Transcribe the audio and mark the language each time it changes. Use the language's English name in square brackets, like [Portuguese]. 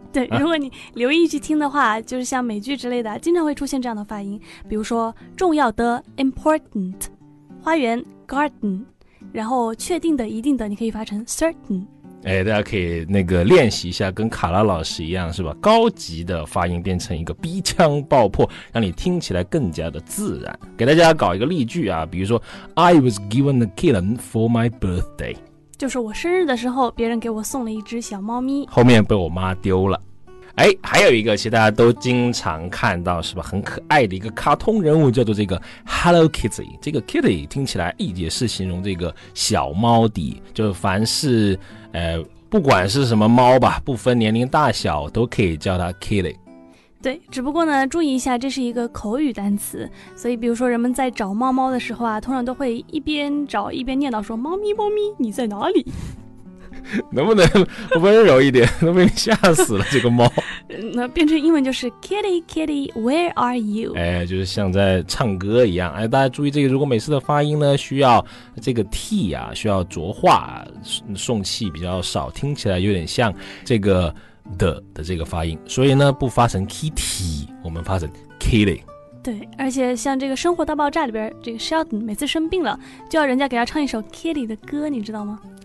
[Chinese] 对，如果你留意去听的话，就是像美剧之类的，经常会出现这样的发音，比如说重要的 important， 花园 garden， 然后确定的一定的，你可以发成 certain。哎，大家可以那个练习一下，跟卡拉老师一样，是吧？高级的发音变成一个鼻腔爆破，让你听起来更加的自然。给大家搞一个例句啊，比如说 [English] I was given a kitten for my birthday。 [Chinese] 就是我生日的时候别人给我送了一只小猫咪，后面被我妈丢了。哎，还有一个其实大家都经常看到是吧，很可爱的一个卡通人物叫做这个 Hello Kitty。这个 Kitty 听起来也是形容这个小猫的，就凡是不管是什么猫吧，不分年龄大小都可以叫它 Kitty。对，只不过呢注意一下，这是一个口语单词，所以比如说人们在找猫猫的时候啊，通常都会一边找一边念叨说猫咪猫咪你在哪里。能不能温柔一点，都被你吓死了这个猫。那变成英文就是 [English] Kitty Kitty Where are you。 [Chinese] 哎，就是像在唱歌一样。哎，大家注意这个，如果每次的发音呢需要这个 T 啊，需要浊化送气比较少，听起来有点像这个的这个发音，所以呢不发成 kitty， 我们发成 kitty。对，而且像这个生活大爆炸里边这个 Sheldon 每次生病了就要人家给他唱一首 kitty 的歌，你知道吗？